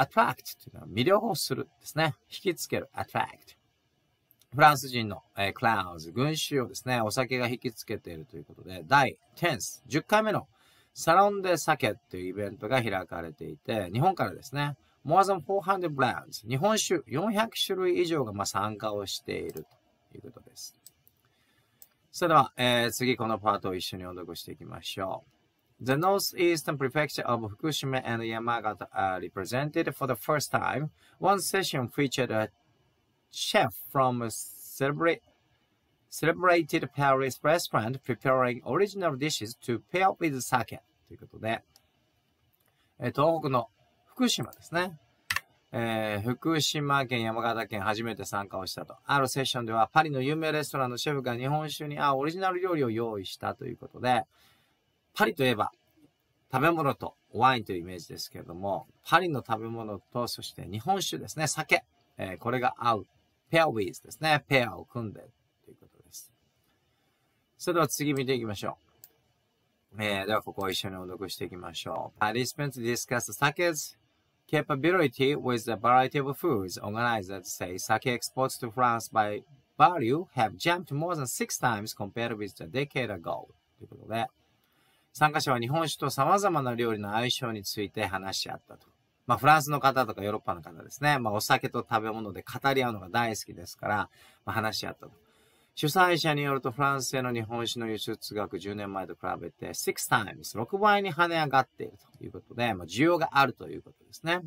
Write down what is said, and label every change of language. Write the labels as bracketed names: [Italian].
[Japanese] Attract というのは魅了するですね、引きつける。Attract、 フランス人の、Clouds 群衆をですねお酒が引きつけているということで、第 10th 10回目のサロンデサケというイベントが開かれていて、日本からですね [English] More than 400 brands. [Japanese] 日本酒400種類以上が参加をしているということです。それでは、次このパートを一緒に音読していきましょう。 [English] The northeastern prefecture of Fukushima and Yamagata are represented for the first time. One session featured a chef from a celebrated Paris restaurant preparing original dishes to pair with sake. [Japanese] ということで、東北の福島ですね。福島県、山形県、初めて参加をしたと。あるセッションでは、パリの有名レストランのシェフが日本酒に合うオリジナル料理を用意したということで、パリといえば、食べ物とワインというイメージですけれども、パリの食べ物と、そして日本酒ですね、酒。これが合う。ペアウィズですね。ペアを組んで、ということです。それでは次見ていきましょう。ではここを一緒に音読していきましょう。 [English] Participants discussed sake's capability with a variety of foods. Organizers say sake exports to France by value have jumped more than six times compared with a decade ago. [Japanese] ということで、参加者は日本酒と様々な料理の相性について話し合ったと。まあ、フランスの方とかヨーロッパの方ですね。まあ、お酒と食べ物で語り合うのが大好きですから、まあ、話し合ったと。主催者によると、フランスへの日本酒の輸出額10年前と比べて、6 times、6倍に跳ね上がっているということで、まあ、需要があるということですね。